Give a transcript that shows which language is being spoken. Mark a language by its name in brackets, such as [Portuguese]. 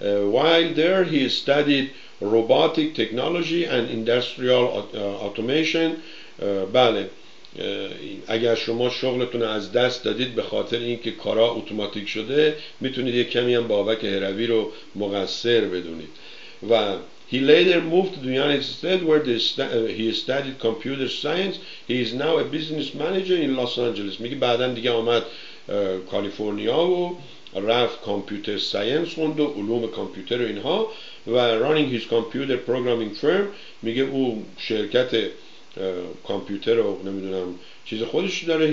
[English] While there he studied robotic technology and industrial automation. [Persian] بله اگر شما شغلتون از دست دادید به خاطر اینکه کارا اتوماتیک شده، میتونید یک کمی هم بابک هروی رو مقصر بدونید. [English] و he later moved to the United States where he studied computer science. He is now a business manager in Los Angeles. [Persian] میگه بعدن دیگه اومد کالیفرنیا و رفت کامپیوتر ساینس خوند و علوم کامپیوتر و اینها و [English] running his computer programming firm. [Persian] میگه او شرکت کامپیوتر رو نمیدونم چیز خودش داره.